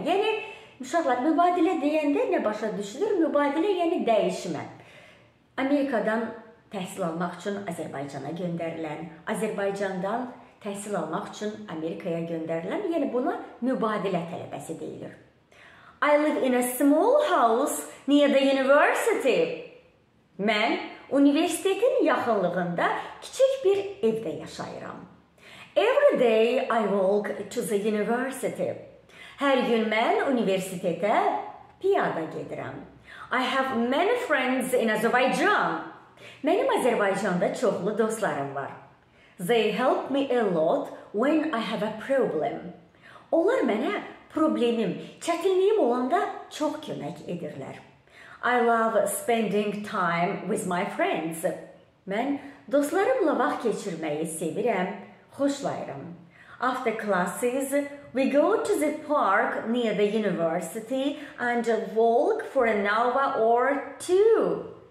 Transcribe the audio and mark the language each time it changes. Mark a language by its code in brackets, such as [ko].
[az] Yəni, uşaqlar, mübadilə deyəndə nə başa düşülür? Mübadilə, yəni dəyişmə. Amerikadan təhsil almaq üçün Azərbaycana göndərilən, Azərbaycandan təhsil almaq üçün Amerikaya göndərilən, yəni buna mübadilə tələbəsi deyilir. [en] I live in a small house near the university. [az] Mən universitetin yaxınlığında kiçik bir evdə yaşayıram. [en] Every day I walk to the university. [az] Her gün mən universitetə piyada gedirəm. [en] I have many friends in Azerbaijan. [az] Mənim Azərbaycanda çoxlu dostlarım var. [en] They help me a lot when I have a problem. [az] Onlar mənə problemim, çətinliyim olanda çox kömək edirlər. [en] I love spending time with my friends. [az] Mən dostlarımla vaxt keçirməyi sevirəm, xoşlayıram. [en] After classes, we go to the park near the university and walk for an hour or two.